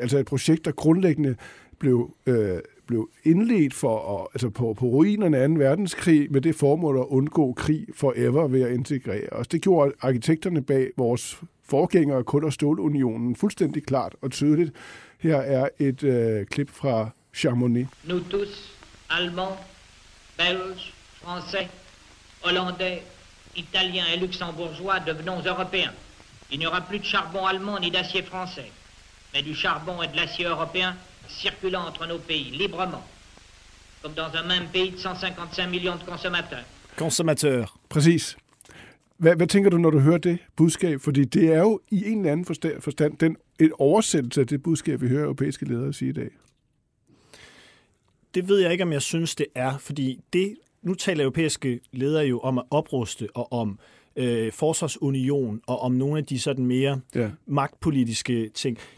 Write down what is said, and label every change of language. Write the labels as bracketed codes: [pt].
[da] Altså et projekt, der grundlæggende blev indledt på ruinerne af 2. verdenskrig med det formål at undgå krig forever ved at integrere os. Det gjorde arkitekterne bag vores forgængere, Kul- og Stålunionen, fuldstændig klart og tydeligt. Her er et klip fra Chamonix. [fr] Nous tous, allemands, belges, français, hollandais, italiens et luxembourgeois devenons européens. Il n'y aura plus de charbon allemand ni d'acier français, mais du charbon et de l'acier européen circulant entre nos pays librement, comme dans un même pays de 155 millions de consommateurs. Consommateurs. [da] Præcis. Hvad tænker du, når du hører det budskab? Fordi det er jo i en eller anden forstand en oversættelse af det budskab, vi hører europæiske ledere sige i dag. Det ved jeg ikke, om jeg synes, det er, fordi det... Nu taler europæiske ledere jo om at opruste og om forsvarsunion og om nogle af de sådan mere magtpolitiske ting.